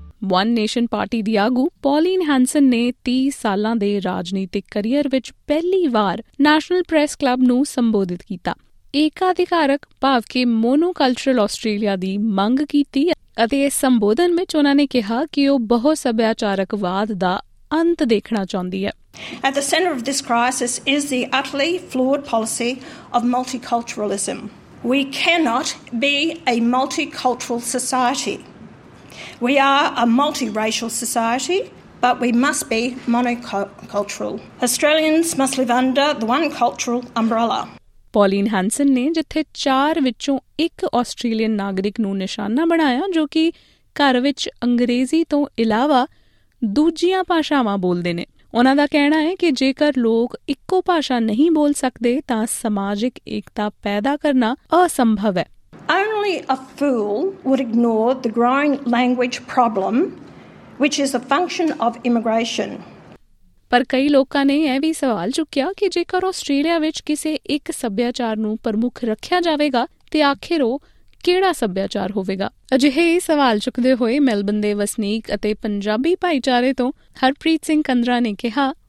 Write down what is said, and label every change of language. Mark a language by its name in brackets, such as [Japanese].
[Punjabi] One nation party ਦੀ ਆਗੂ Pauline ਹੈਂਸਨ ਨੇ 30 ਸਾਲਾਂ ਦੇ ਰਾਜਨੀਤਿਕ ਕਰੀਅਰ ਵਿੱਚ ਪਹਿਲੀ ਵਾਰ ਨੈਸ਼ਨਲ ਪ੍ਰੈਸ ਕਲੱਬ ਨੂੰ ਸੰਬੋਧਿਤ ਕੀਤਾ, ਏਕਾਧਿਕਾਰਕ ਭਾਵ ਕਿ ਮੋਨੋਕਲਚਰਲ ਆਸਟ੍ਰੇਲੀਆ ਦੀ ਮੰਗ ਕੀਤੀ ਅਤੇ ਇਸ ਸੰਬੋਧਨ ਵਿੱਚ ਉਨ੍ਹਾਂ ਨੇ ਕਿਹਾ ਕਿ ਉਹ ਬਹੁ ਸੱਭਿਆਚਾਰਕਵਾਦ ਦਾ ਅੰਤ ਦੇਖਣਾ ਚਾਹੁੰਦੀ ਹੈ। [English] At the center of this crisis is the utterly flawed policy of multiculturalism. We cannot be a multicultural society. We are a multiracial society, but we must be monocultural. Australians must live under the one cultural umbrella. [Punjabi] Pauline ਹੈਂਸਨ ਨੇ ਜਿੱਥੇ ਚਾਰ ਵਿੱਚੋਂ ਇੱਕ Australian ਨਾਗਰਿਕ ਨੂੰ ਨਿਸ਼ਾਨਾ ਬਣਾਇਆ ਜੋ ਕਿ ਘਰ ਵਿੱਚ ਅੰਗਰੇਜ਼ੀ ਤੋਂ ਇਲਾਵਾ ਦੂਜੀਆਂ ਭਾਸ਼ਾਵਾਂ ਬੋਲਦੇ ਨੇ, ਉਹਨਾਂ ਦਾ ਕਹਿਣਾ ਹੈ ਕਿ ਜੇਕਰ ਲੋਕ ਇੱਕੋ ਭਾਸ਼ਾ ਨਹੀਂ ਬੋਲ ਸਕਦੇ ਤਾਂ ਸਮਾਜਿਕ ਏਕਤਾ ਪੈਦਾ ਕਰਨਾ ਅਸੰਭਵ ਹੈ। [English] Only a fool would ignore the growing language problem, which is a function of immigration. [Punjabi] ਪਰ ਕਈ ਲੋਕਾਂ ਨੇ ਇਹ ਵੀ ਸਵਾਲ ਚੁੱਕਿਆ ਕਿ ਜੇਕਰ ਆਸਟ੍ਰੇਲੀਆ ਵਿੱਚ ਕਿਸੇ ਇੱਕ ਸੱਭਿਆਚਾਰ ਨੂੰ ਪ੍ਰਮੁੱਖ ਰੱਖਿਆ ਜਾਵੇਗਾ ਤੇ ਆਖਿਰ ਉਹ ਕਿਹੜਾ ਸੱਭਿਆਚਾਰ ਹੋਵੇਗਾ। ਅਜਿਹੇ ਇਹ ਸਵਾਲ ਚੁੱਕਦੇ ਹੋਏ ਮੈਲਬਨ ਦੇ ਵਸਨੀਕ ਅਤੇ ਪੰਜਾਬੀ ਭਾਈਚਾਰੇ ਤੋਂ ਹਰਪ੍ਰੀਤ ਸਿੰਘ ਕੰਦਰਾ ਨੇ ਕਿਹਾ,